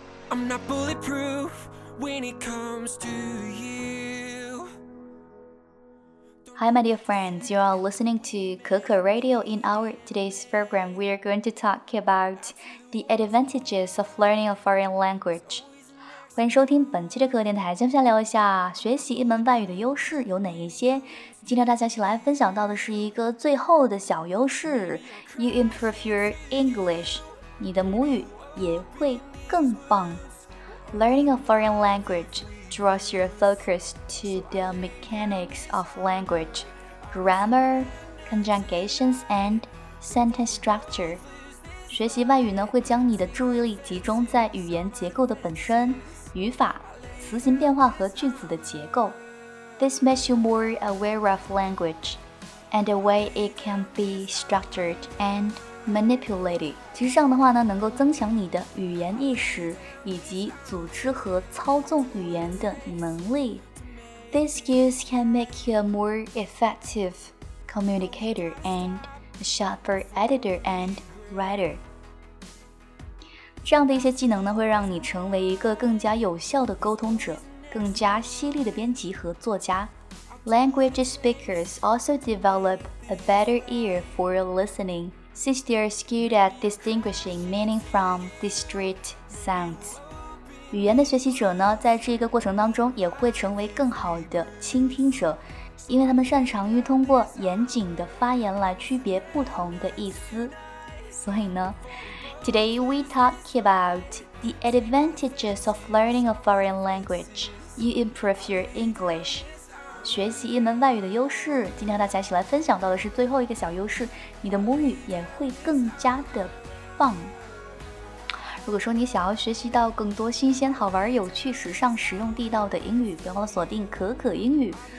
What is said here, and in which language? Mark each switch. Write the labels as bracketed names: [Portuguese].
[English] I'm not bulletproof when it comes to you. Hi, my dear friends. You are listening to Coco Radio. In our today's program, we are going to talk about the advantages of learning a foreign language. [Chinese] 欢迎收听本期的可可电台，接下来聊一下学习一门外语的优势有哪一些。今天大家一起来分享到的是一个最后的小优势 ， [English] You improve your English， [Chinese] 你的母语也会更棒。 [English] Learning a foreign language draws your focus to the mechanics of language, grammar, conjugations, and sentence structure. [Chinese] 学习外语呢，会将你的注意力集中在语言结构的本身。语法、词形变化和句子的结构。 [English] This makes you more aware of language and the way it can be structured and manipulated. [Chinese] 其实这样的话呢，能够增强你的语言意识以及组织和操纵语言的能力。 [English] These skills can make you a more effective communicator and a sharper editor and writer. [Chinese] 这样的一些技能呢，会让你成为一个更加有效的沟通者，更加犀利的编辑和作家。 [English] Language speakers also develop a better ear for listening, since they are skilled at distinguishing meaning from discrete sounds. [Chinese] 语言的学习者呢，在这个过程当中也会成为更好的倾听者，因为他们擅长于通过严谨的发言来区别不同的意思。所以呢， [English] Today we talk about the advantages of learning a foreign language. You improve your English. [Chinese] 学习一门外语的优势。今天和大家一起来分享到的是最后一个小优势，你的母语也会更加的棒。如果说你想要学习到更多新鲜、好玩、有趣、时尚、实用、地道的英语，别忘了锁定可可英语。